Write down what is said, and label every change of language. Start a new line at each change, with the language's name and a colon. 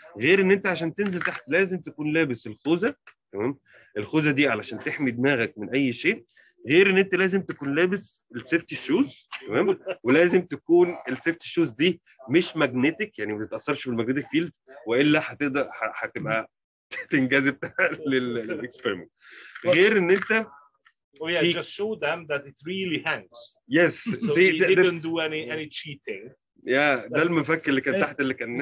Arabic: غير ان انت عشان تنزل تحت لازم تكون لابس الخوذه، تمام؟ الخوذه دي علشان تحمي دماغك من اي شيء. غير ان انت لازم تكون لابس السيفتي شوز، تمام؟ ولازم تكون السيفتي شوز دي مش ماجنتيك، يعني ما تتاثرش بالماجنتيك فيلد، والا هتقدر هتبقى تنجذب للاكسبيرمنت. غير ان انت
English: just show them that it really hangs. Yes. So see, we didn't do any cheating.
Arabic: Yeah, ده المفك اللي كان تحت اللي كان.